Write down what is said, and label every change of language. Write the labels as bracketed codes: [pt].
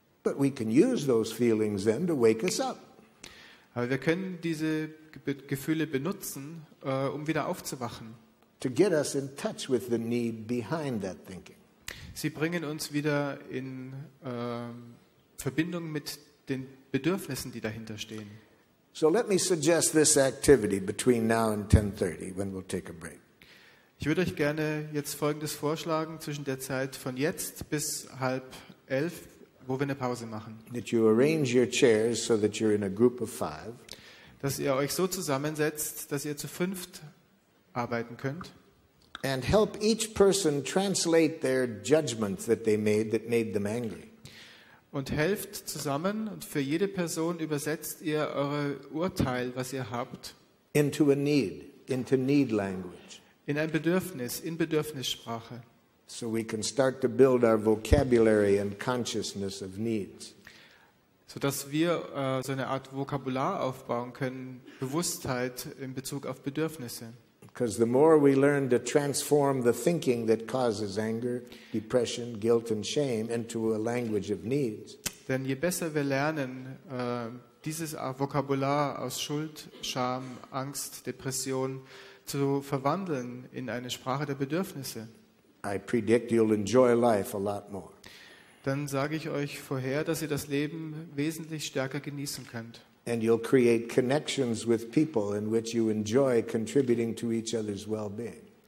[en] But we can use those feelings then to wake us up. [de] Aber wir können diese Gefühle benutzen, um wieder aufzuwachen. [en] To get us in touch with the need behind that thinking. [de] Sie bringen uns wieder in Verbindung mit den Bedürfnissen, die dahinter stehen. [en] So let me suggest this activity between now and 10:30 when we'll take a break. [de] Ich würde euch gerne jetzt Folgendes vorschlagen zwischen der Zeit von jetzt bis 10:30, wo wir eine Pause machen. [en] That you arrange your chairs so that you're in a group of five. [de] Dass ihr euch so zusammensetzt, dass ihr zu fünft arbeiten könnt. [en] And help each person translate their judgments that they made that made them angry. [de] Und helft zusammen und für jede Person übersetzt ihr eure Urteil, was ihr habt, [en] into a need, into need language. [de] In ein Bedürfnis, in Bedürfnissprache. [en] So we can start to build our vocabulary and consciousness of needs. [de] So dass wir so eine Art Vokabular aufbauen können, Bewusstheit in Bezug auf Bedürfnisse. [en] Because the more we learn to transform the thinking that causes anger, depression, guilt and shame into a language of needs. [de] Denn je besser wir lernen, dieses Vokabular aus Schuld, Scham, Angst, Depression zu verwandeln in eine Sprache der Bedürfnisse. [en] I predict you'll enjoy life a lot more. [de] dann sage ich euch vorher, dass ihr das Leben wesentlich stärker genießen könnt. [en] And you'll create connections with people in which you enjoy contributing to each other's well-being.